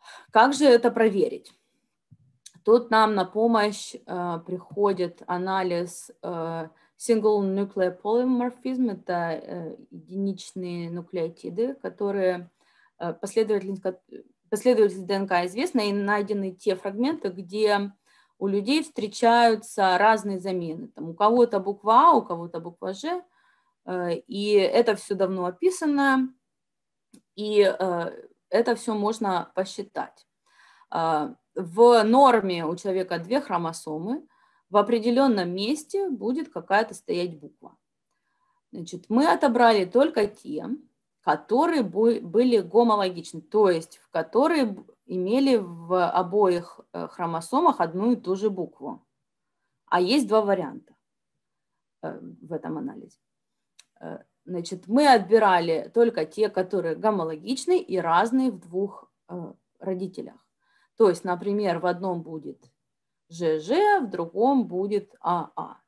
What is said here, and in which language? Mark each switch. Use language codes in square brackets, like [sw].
[ru] Как же это проверить? Тут нам на помощь приходит анализ Single Nuclear Polymorphism, это единичные нуклеотиды, которые последовательность ДНК известна, и найдены те фрагменты, где у людей встречаются разные замены. Там у кого-то буква А, у кого-то буква G, [uk] І це все давно описано, і це все можна посчитати. В нормі у чоловіка дві хромосоми, в определенному місці буде якась стоять буква. Значить, ми відбрали тільки ті, які були гомологічні, тобто, в які мали в обох хромосомах одну і ту же букву. А є два варіанти в цьому аналізі. [ru] Значит, мы отбирали только те, которые гомологичны и разные в двух родителях. То есть, например, в одном будет ЖЖ, в другом будет АА.